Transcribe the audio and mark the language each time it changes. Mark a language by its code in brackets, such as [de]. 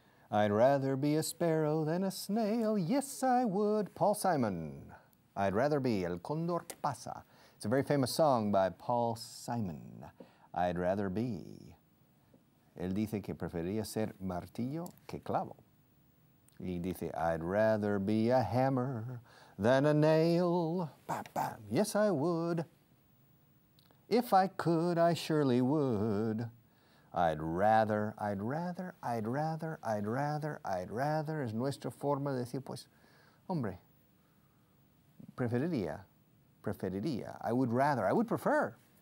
[en] I'd rather be a sparrow than a snail. Yes, I would. Paul Simon. I'd rather be El Condor Pasa. It's a very famous song by Paul Simon. I'd rather be. [es] Él dice que preferiría ser martillo que clavo. Y dice, [en] I'd rather be a hammer than a nail. Bam, bam. Yes, I would. If I could, I surely would. I'd rather is [es] nuestra forma de decir, pues, hombre, preferiría, [en] I would rather, I would prefer.